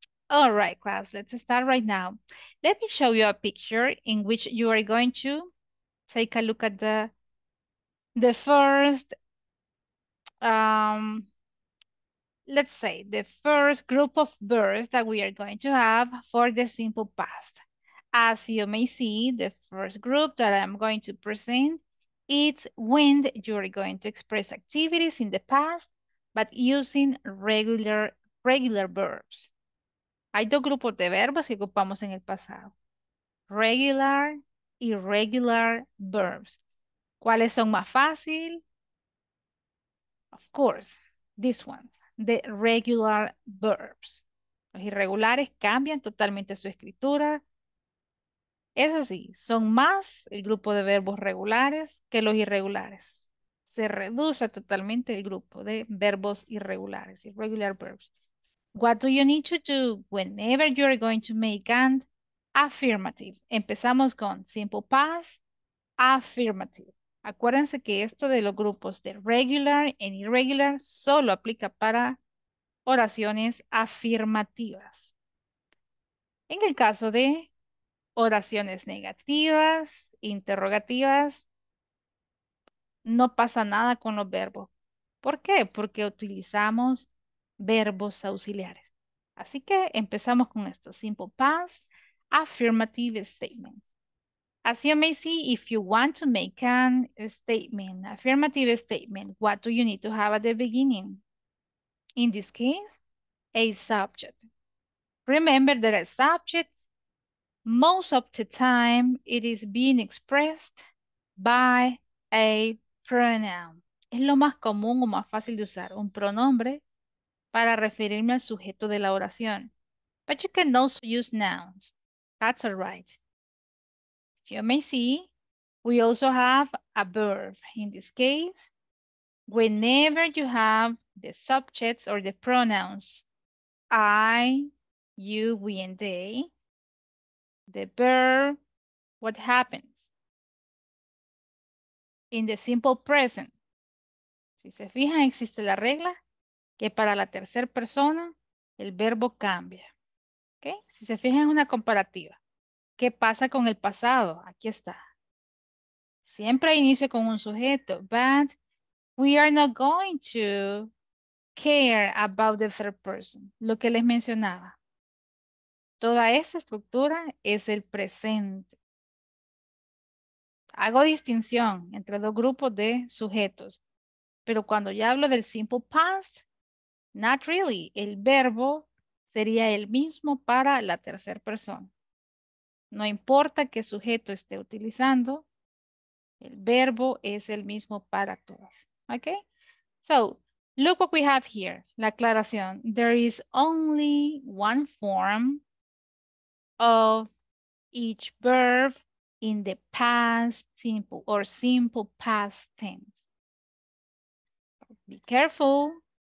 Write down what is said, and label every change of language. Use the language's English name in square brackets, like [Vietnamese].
[English] All right, class, let's start right now. Let me show you a picture in which you are going to take a look at the first, let's say, the first group of verbs that we are going to have for the simple past. As you may see, the first group that I'm going to present, it's when you are going to express activities in the past, but using regular verbs. [Spanish] Hay dos grupos de verbos que ocupamos en el pasado. [English] Regular, irregular verbs. [Spanish] ¿Cuáles son más fácil? [English] Of course, this ones, the regular verbs. [Spanish] Los irregulares cambian totalmente su escritura. Eso sí, son más el grupo de verbos regulares que los irregulares. Se reduce totalmente el grupo de verbos irregulares, irregular verbs. [English] What do you need to do whenever you are going to make an affirmative? [Spanish] Empezamos con simple past, affirmative. Acuérdense que esto de los grupos de regular and irregular solo aplica para oraciones afirmativas. En el caso de oraciones negativas, interrogativas, no pasa nada con los verbos. ¿Por qué? Porque utilizamos verbos auxiliares. Así que empezamos con esto. Simple past, affirmative statements. [English] As you may see, if you want to make an statement, affirmative statement, what do you need to have at the beginning? In this case, a subject. Remember that a subject, most of the time, it is being expressed by a pronoun. [Spanish] Es lo más común o más fácil de usar, un pronombre para referirme al sujeto de la oración. [English] But you can also use nouns. That's all right. You may see We also have a verb in this case. Whenever you have the subjects or the pronouns, I, you, we, and they, the verb, what happens? In the simple present. [Spanish] Si se fijan, existe la regla que para la tercera persona, el verbo cambia. Okay? Si se fijan, es una comparativa. ¿Qué pasa con el pasado? Aquí está. Siempre inicia con un sujeto, [English] but we are not going to care about the third person, [Spanish] lo que les mencionaba. Toda esa estructura es el presente. Hago distinción entre dos grupos de sujetos, pero cuando ya hablo del simple past, [English] not really, [Spanish] el verbo sería el mismo para la tercera persona. No importa qué sujeto esté utilizando, el verbo es el mismo para todas. [English] Okay? So, look what we have here. [Spanish] La aclaración. [English] There is only one form of each verb in the past simple or simple past tense. Be careful.